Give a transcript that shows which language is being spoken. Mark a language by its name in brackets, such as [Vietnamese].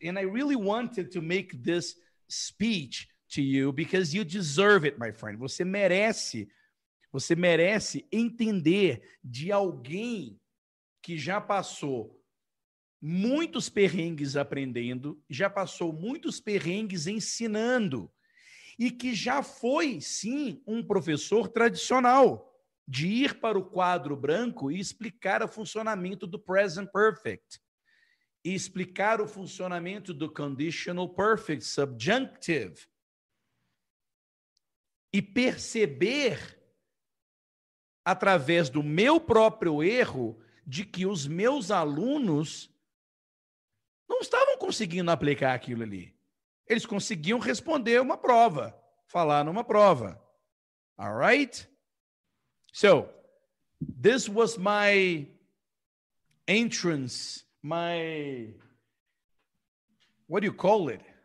[English] And I really wanted to make this speech to you because you deserve it, my friend. [Portuguese] Você merece entender de alguém que já passou muitos perrengues aprendendo, já passou muitos perrengues ensinando e que já foi, sim, um professor tradicional de ir para o quadro branco e explicar o funcionamento do present perfect e explicar o funcionamento do conditional perfect subjunctive e perceber, através do meu próprio erro, de que os meus alunos não estavam conseguindo aplicar aquilo ali. Eles conseguiam responder uma prova, falar numa prova. [English] All right? So, this was my entrance, my, what do you call it?